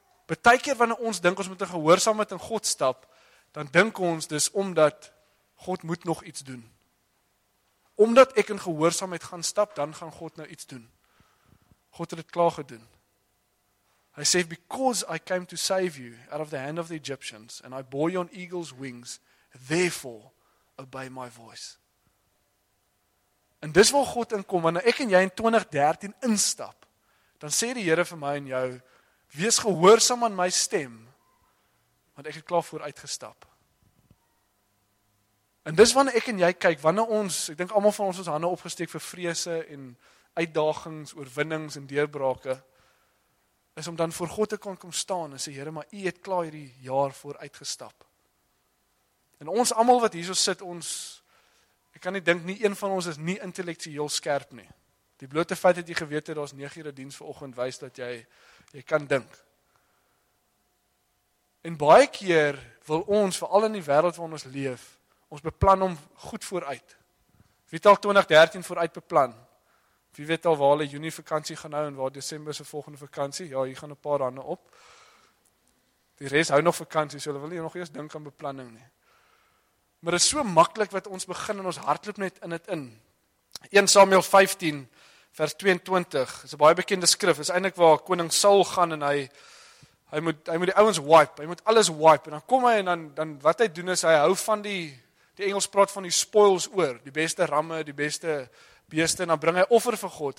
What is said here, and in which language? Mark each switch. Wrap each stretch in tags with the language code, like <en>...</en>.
<af>Baie keer wanneer ons dink ons moet in gehoorsaamheid in God stap, dan dink ons dis omdat God moet nog iets doen. Omdat ek in gehoorsaamheid gaan stap, dan gaan God nou iets doen. God het dit klaar gedoen. Hy sê,</af> <en>because I came to save you out of the hand of the Egyptians, and I bore you on eagle's wings, therefore obey my voice.</en> <af>En dis waar God inkom, wanneer ek en jy in 2013 instap, dan sê die Here vir my en jou, wees gehoorsaam aan my stem, want ek het klaar voor uitgestap. En dis wanneer ek en jy kyk, wanneer ons, ek dink almal van ons hande opgesteek vir vrese en uitdagings, oorwinnings en deurbrake, is om dan voor God te kan kom staan en sê, Here, maar U het klaar hierdie jaar voor uitgestap. En ons almal wat hierso sit, ons, ek kan nie dink, nie een van ons is nie intellektueel skerp nie. Die blote feit dat jy geweet het, daar's 9 ure diens vanoggend, wys dat jy kan dink. En baie keer wil ons, veral in die wêreld waarin ons leef, ons beplan om goed vooruit. Wie het al 2013 vooruit beplan? Wie weet al waar hulle Junie vakantie gaan hou en waar December se volgende vakantie? Ja, hier gaan 'n paar hande op. Die res hou nog vakansie, so hulle wil nie nog eers dink aan beplanning nie. Maar dit is so maklik wat ons begin en ons hardloop net in dit in. 1 Samuel 15 vers 22 is 'n baie bekende skrif. Is eintlik waar koning Saul gaan en hy moet die ouens wipe, hy moet alles wipe en dan kom hy en dan wat hy doen is hy hou van die Engels praat van die spoils oor, die beste ramme, die beste beeste, en dan bring hy offer vir God.</af>